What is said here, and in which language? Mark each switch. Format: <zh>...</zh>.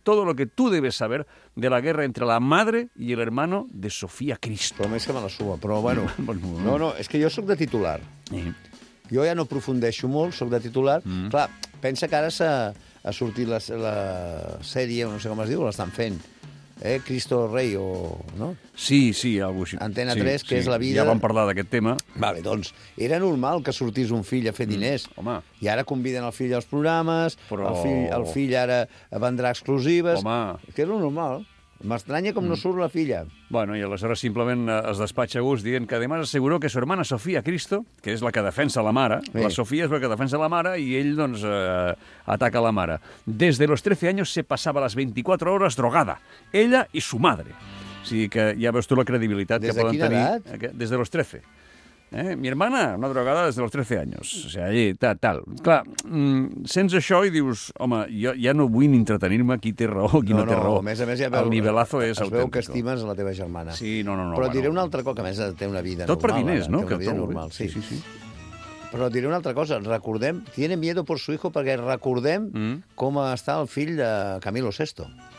<es>Todo lo que tú debes saber de la guerra entre la madre y el hermano de Sofía Cristo.</es> <ca>Però més que</ca> <es>me la suba,</es> <ca>però bueno... No, és que jo sóc de titular. Jo ja no profundeixo molt, sóc de titular. Clar, pensa que ara ha sortit la sèrie, no sé com es diu, l'estan fent. Cristo Rey o... No? Sí, algo així. Antena 3, que és la vida... Ja vam parlar d'aquest tema. Vale, doncs, era normal que sortís un fill a fer diners. Home. I ara conviden el fill als programes, però... el fill ara vendrà exclusives... Home. Que és normal. M'estranya com no surt la filla. Bueno, i aleshores simplement es despatxa Gus dient que</ca> <es>además aseguró que su hermana Sofía Cristo,</es> <ca>que és la que defensa la mare, la Sofía és la que defensa la mare i ell, doncs, ataca la mare.</ca> <es>Desde los 13 años se pasaba las 24 horas drogada, ella y su madre.</es> <ca>O sigui que ja veus tu la credibilitat que poden tenir. Des de quina edat? Des de los 13.</ca> <es>Mi hermana, una drogada des de los 13 años.</es> <ca>O sigui, allí, tal. Clar, sents això i dius, home, jo ja no vull entretenir-me, qui té raó, qui no té raó. A més ja veu, el nivellazo és autèntic. Es veu que estimes la teva germana. Sí, no. Però diré una altra cosa, que a més té una vida tot Tot per diners, no? Té una vida normal, sí. Però diré una altra cosa, recordem,</ca> <es>tiene miedo por su hijo,</es> <ca>perquè recordem com està el fill de Camilo VI.</ca>